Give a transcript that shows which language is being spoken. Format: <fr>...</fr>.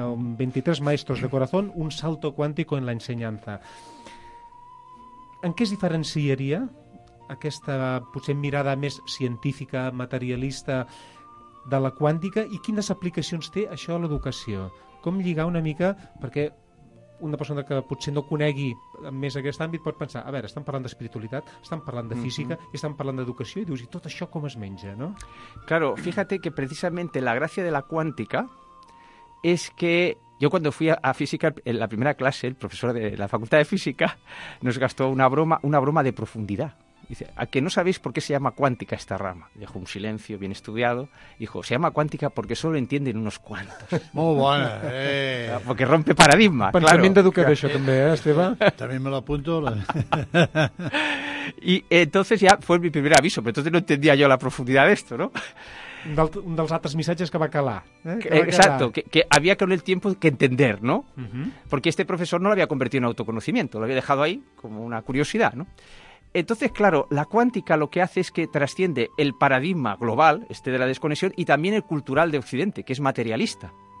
<es>23 maestros de corazón, un salto cuántico en la enseñanza.</es> <ca>En què es diferenciaria aquesta potser mirada més científica, materialista, de la quàntica, i quines aplicacions té això a l'educació? Com lligar una mica, perquè una persona que potser no conegui més aquest àmbit pot pensar, a veure, estan parlant d'espiritualitat, estan parlant de física, i estan parlant d'educació, i dius, i tot això com es menja, no?</ca> <es>Claro, fíjate que precisamente la gracia de la cuántica es que yo cuando fui a física, en la primera clase, el profesor de la facultad de física nos gastó una broma de profundidad. Dice, ¿a que no sabéis por qué se llama cuántica esta rama? Dejó un silencio bien estudiado. Dijo, se llama cuántica porque solo lo entienden unos cuantos. Muy buena, Porque rompe paradigma, pensamiento educado eso también, Esteban. También me lo apunto. Y entonces ya fue mi primer aviso, pero entonces no entendía yo la profundidad de esto, ¿no?</es> <ca>Un dels altres missatges que va calar.</ca> <es>Exacto, que había que con el tiempo que entender, ¿no? Uh-huh. Porque este profesor no lo había convertido en autoconocimiento, lo había dejado ahí como una curiosidad, ¿no? Entonces, claro, la cuántica lo que hace es que trasciende el paradigma global, este de la desconexión, y también el cultural de Occidente, que es materialista.</es>